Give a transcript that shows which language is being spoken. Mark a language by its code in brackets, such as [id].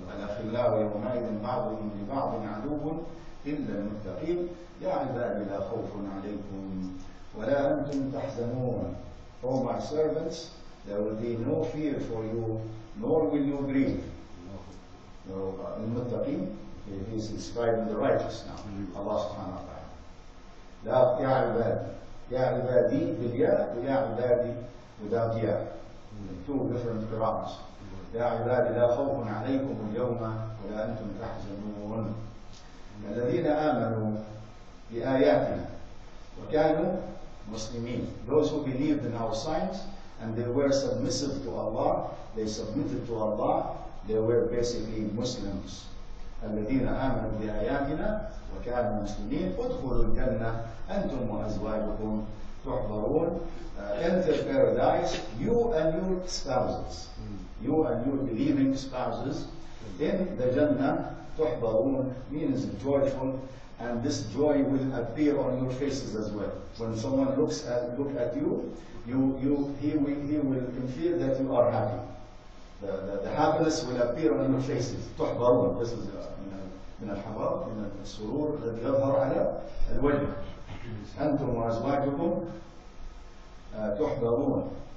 [ar] وَلَخِ اللَّهُ يَوْمَئِذٍ بَعْضُهُمْ لِبَعْضٍ عَدُوٌّ إِلَّا الْمُتَّقِينَ يَا عِبَادِ لَا خَوْفٌ عَلَيْكُمْ وَلَا أَنْتُمْ تَحْزَنُونَ. [en] O my servants, there will be no fear for you, nor will you grieve. المتقين, he is describing the righteous now, Allah subhanahu wa ta'ala. [ar] يَا عِبَادِ, يَا عِبَادِ بِالْيَا, وَيَا عِبَادِ without يَا. [en] Two different Qur'ans. [ar] يَا عِبَادِ لَا خَوْفٌ عَلَيْكُمُ الْيَوْمَ وَلَا أَنْتُمْ تَحْزَنُونَ. الَّذِينَ آمَنُوا بِآيَاتِنَا وَكَانُوا مُسْلِمِينَ. [en] Those who believed in our signs and they were submissive to Allah, they submitted to Allah, they were basically Muslims. [ar] الَّذِينَ آمَنُوا بِآيَاتِنَا وَكَانُوا مُسْلِمِينَ. أُدْخُلُوا الْجَنَّةَ أَنْتُمْ وَأَزْوَاجُكُمْ تحضرون. [en] Enter paradise, you and your spouses, you and your believing spouses, in the Jannah, تحضرون means joyful, and this joy will appear on your faces as well. When someone looks at you, he will feel that you are happy. The happiness will appear on your faces. [ar] تحضرون, [en] this is [ar] من الحضر, من السرور الذي يظهر على الوجه. أنتم وأزواجكم تحضرون.